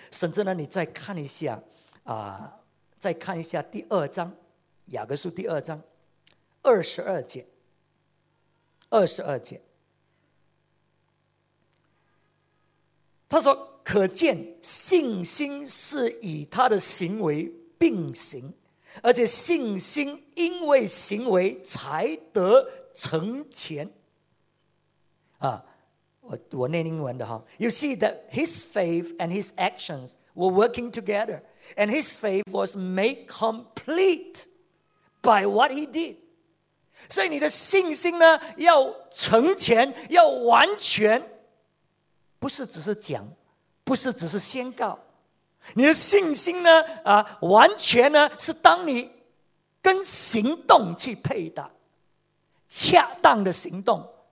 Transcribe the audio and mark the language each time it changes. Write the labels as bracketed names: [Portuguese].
[Chinese] 甚至呢，你再看一下再看一下第二章，雅各书第二章二十二节，他说可见信心是以他的行为并行，而且信心因为行为才得成全我念英文的哈。 [English] You see that his faith and his actions were working together, and his faith was made complete by what he did. [Chinese] 所以你的信心呢，要成全，要完全，不是只是讲，不是只是宣告。你的信心呢，完全呢，是当你跟行动去配搭，恰当的行动。